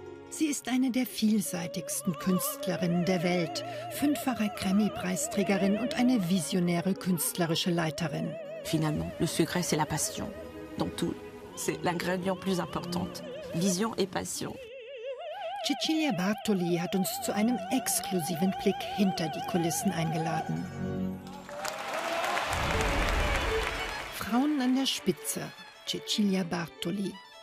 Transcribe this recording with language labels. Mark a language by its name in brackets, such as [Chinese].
[German] Sie ist eine der vielseitigsten Künstlerinnen der Welt, fünffache Grammy-Preisträgerin und eine visionäre künstlerische Leiterin. [French] Finalement, le secret c'est la passion. Dans tout, c'est l'ingrédient plus important. Vision et passion. [German] Cecilia Bartoli hat uns zu einem exklusiven Blick hinter die Kulissen eingeladen. Frauen an der Spitze, Cecilia Bartoli.